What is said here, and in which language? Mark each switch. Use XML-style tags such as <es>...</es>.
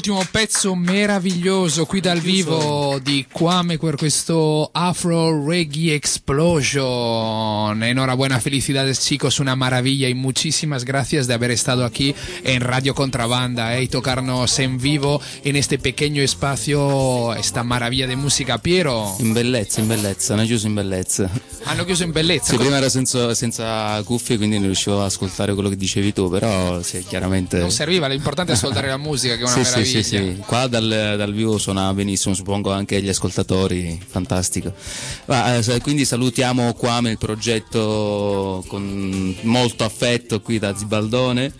<it>Pezzo meraviglioso qui dal vivo di Kwame per questo Afro Reggae Explosion.</it> <es>Enhorabuena, felicidades chicos, una maravilla y muchísimas gracias de haber estado aquí en Radio Contrabanda y tocarnos en vivo en este pequeño espacio esta maravilla de música.</es> <it>Piero, in bellezza, hanno chiuso in bellezza. Hanno chiuso in bellezza. Sì, prima era senza cuffie, quindi non riuscivo ad ascoltare quello che dicevi tu, però sì, chiaramente non serviva, l'importante è ascoltare la musica, che è una meraviglia. Sì, sì, sì. Qua dal vivo suona benissimo, suppongo anche gli ascoltatori, fantastico. Ma, quindi salutiamo Kwame, il progetto, con molto affetto qui da Zibaldone,</it>